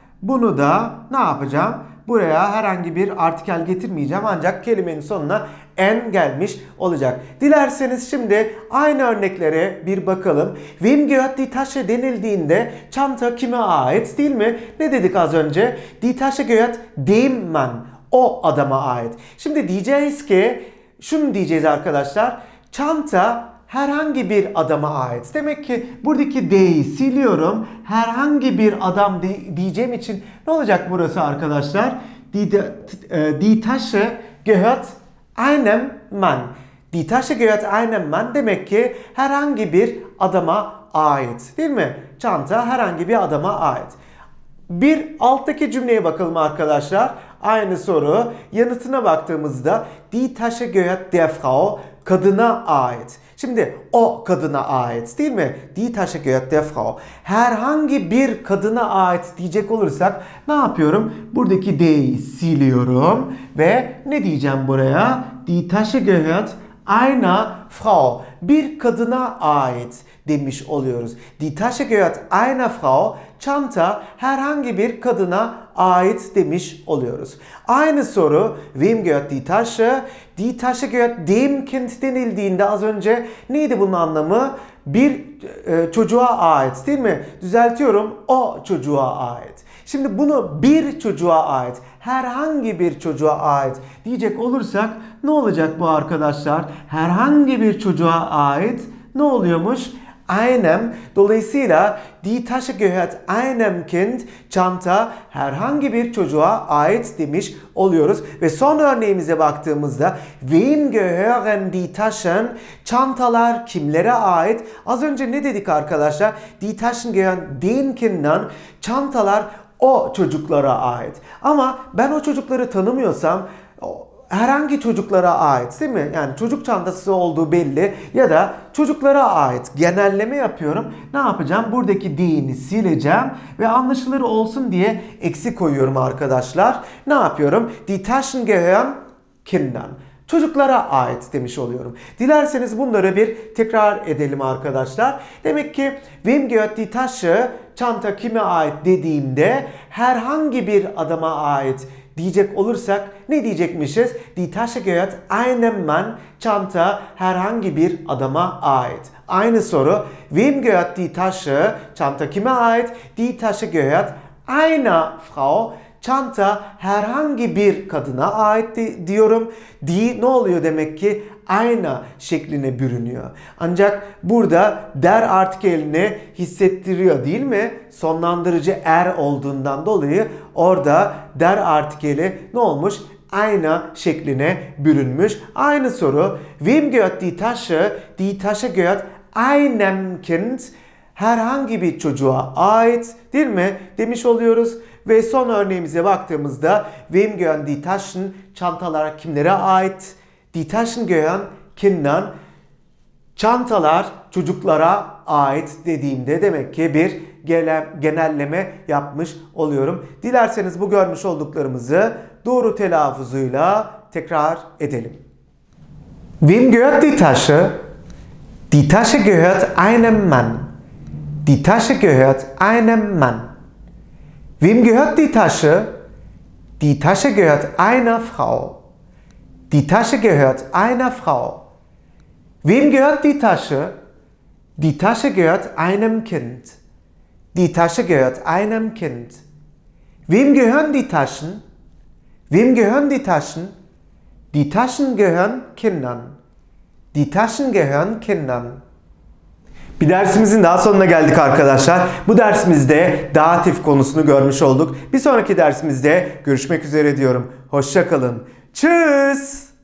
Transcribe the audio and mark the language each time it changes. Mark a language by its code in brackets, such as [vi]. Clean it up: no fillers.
[tr] Bunu da ne yapacağım? Buraya herhangi bir artikel getirmeyeceğim. Ancak kelimenin sonuna en gelmiş olacak. Dilerseniz şimdi aynı örneklere bir bakalım. [de] Wem gehört die Tasche [tr] denildiğinde çanta kime ait değil mi? Ne dedik az önce? [de] Die Tasche gehört dem Mann. [tr] O adama ait. Şimdi diyeceğiz ki, şunu diyeceğiz arkadaşlar. Çanta herhangi bir adama ait. Demek ki buradaki D'yi siliyorum. Herhangi bir adam diyeceğim için ne olacak burası arkadaşlar? [de] Die Tasche gehört einem Mann. Die Tasche gehört einem Mann [tr] demek ki herhangi bir adama ait. Değil mi? Çanta herhangi bir adama ait. Bir alttaki cümleye bakalım arkadaşlar. Aynı soru. Yanıtına baktığımızda [de] Die Tasche gehört der Frau, [tr] kadına ait. Şimdi o kadına ait değil mi? [de] Die Tasche gehört der Frau. [tr] Herhangi bir kadına ait diyecek olursak ne yapıyorum? Buradaki D'yi siliyorum. Ve ne diyeceğim buraya? [de] Die Tasche gehört einer Frau. [tr] Bir kadına ait demiş oluyoruz. [de] Die Tasche gehört einer Frau. [tr] Çanta herhangi bir kadına ait demiş oluyoruz. Aynı soru. [de] Wem gehört die Tasche? Die Tasche gehört dem Kind [tr] denildiğinde az önce neydi bunun anlamı? Bir çocuğa ait değil mi? Düzeltiyorum. O çocuğa ait. Şimdi bunu bir çocuğa ait, herhangi bir çocuğa ait diyecek olursak ne olacak bu arkadaşlar? Herhangi bir çocuğa ait ne oluyormuş? Einem. Dolayısıyla [de] die Tasche gehört einem Kind, [tr] çanta herhangi bir çocuğa ait demiş oluyoruz. Ve son örneğimize baktığımızda [de] wem gehören die Taschen, [tr] çantalar kimlere ait? Az önce ne dedik arkadaşlar? [de] Die Taschen gehören dem Kindern, [tr] çantalar o çocuklara ait. Ama ben o çocukları tanımıyorsam herhangi çocuklara ait değil mi? Yani çocuk çantası olduğu belli ya da çocuklara ait. Genelleme yapıyorum. Ne yapacağım? Buradaki D'ni sileceğim ve anlaşılır olsun diye eksi koyuyorum arkadaşlar. Ne yapıyorum? [de] Die Taschen gehören Kindern. [tr] Çocuklara ait demiş oluyorum. Dilerseniz bunları bir tekrar edelim arkadaşlar. Demek ki [de] wem gehört die Tasche, [tr] çanta kime ait dediğimde herhangi bir adama ait diyecek olursak ne diyecekmişiz? [de] Die Tasche gehört einem Mann, [tr] çanta herhangi bir adama ait. Aynı soru. [de] Wem gehört die Tasche, [tr] çanta kime ait? [de] Die Tasche gehört einer Frau, [tr] çanta herhangi bir kadına ait diyorum. Die ne oluyor demek ki? Einer şekline bürünüyor. Ancak burada der artikelini hissettiriyor değil mi? Sonlandırıcı er olduğundan dolayı orada der artikeli ne olmuş? Einer şekline bürünmüş. Aynı soru. [de] Wem gehört die Tasche? Die Tasche gehört einem Kind. [tr] Herhangi bir çocuğa ait değil mi? Demiş oluyoruz. Ve son örneğimize baktığımızda [de] Wem gehört die Taschen? [tr] Çantalar kimlere ait? [de] Die Taschen gehören Kindern, [tr] çantalar çocuklara ait dediğimde demek ki bir genelleme yapmış oluyorum. Dilerseniz bu görmüş olduklarımızı doğru telaffuzuyla tekrar edelim. [de] Wem gehört die Tasche? Die Tasche gehört einem Mann. Die Tasche gehört einem Mann. Wem gehört die Tasche? Die Tasche gehört einer Frau. Die Tasche gehört einer Frau. Wem gehört die Tasche? Die Tasche gehört einem Kind. Die Tasche gehört einem Kind. Wem gehören die Taschen? Wem gehören die Taschen? Die Taschen gehören Kindern. Die Taschen gehören Kindern. [tr] Bir dersimizin daha sonuna geldik arkadaşlar. Bu dersimizde datif konusunu görmüş olduk. Bir sonraki dersimizde görüşmek üzere diyorum. Hoşça kalın. Tschüss!